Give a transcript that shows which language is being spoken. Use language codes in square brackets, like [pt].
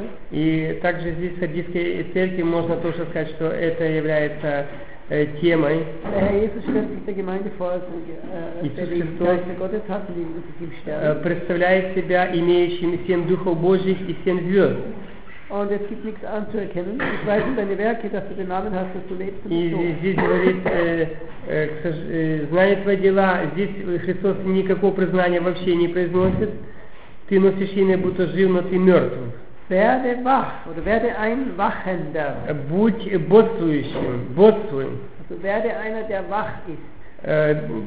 [ru] И также здесь, в Саддийской церкви, можно тоже сказать, что это является темой. Иисус Христос представляет себя имеющим семь духов Божьих и семь звезд. [de] Und es gibt nichts anzuerkennen. Ich weiß um deine Werke, dass du den Namen hast, dass du lebst und so. [ru] И здесь говорит, знает твои дела. Здесь Христос никакого признания вообще не произносит. Ты носишь имя, будто жив, но ты мертв. [de] Werde wach oder werde ein Wachender. [ru] Будь бодствующим, бодствуй. [de] Also werde einer, der wach ist.